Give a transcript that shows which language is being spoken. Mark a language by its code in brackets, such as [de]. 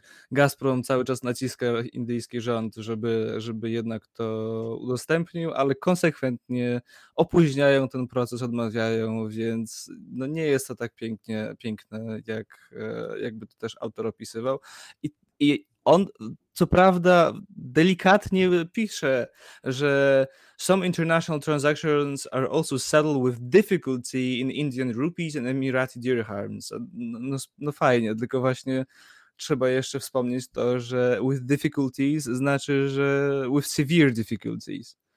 [pl] Gazprom cały czas naciska indyjski rząd, żeby jednak to udostępnił, ale konsekwentnie opóźniają ten proces, odmawiają, więc no nie jest to tak piękne, jakby to też autor opisywał. I on co prawda delikatnie pisze, że [en] some international transactions are also settled with difficulty in Indian rupees and Emirati dirhams. [pl] No fajnie, tylko właśnie trzeba jeszcze wspomnieć to, że [en] with difficulties [pl] znaczy, że [en] with severe difficulties.